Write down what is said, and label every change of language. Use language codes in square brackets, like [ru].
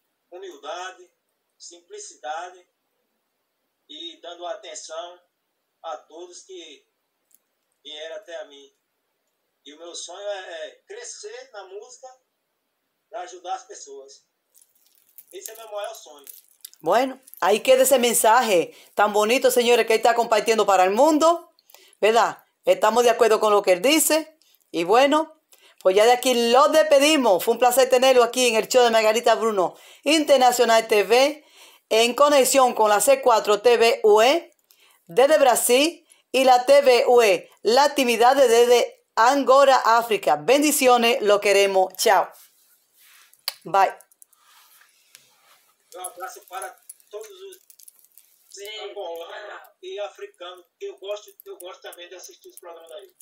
[pt] Humildade, simplicidade e dando atenção a todos que vieram até a mim. E o meu sonho é crescer na música para ajudar as pessoas. Esse é meu maior sonho. [es] Bueno, ahí queda ese mensaje tan bonito, señores, que él está compartiendo para el mundo, ¿verdad? Estamos de acuerdo con lo que él dice. Y bueno, pues ya de aquí lo despedimos. Fue un placer tenerlo aquí en el show de Margarita Bruno Internacional TV, en conexión con la C4 TV UE desde Brasil y la TV UE Latinidades desde Angora, África. Bendiciones, lo queremos. Chao. Bye. [pt] Um abraço para todos os angolanos e africanos. Eu gosto também de assistir os programas daí.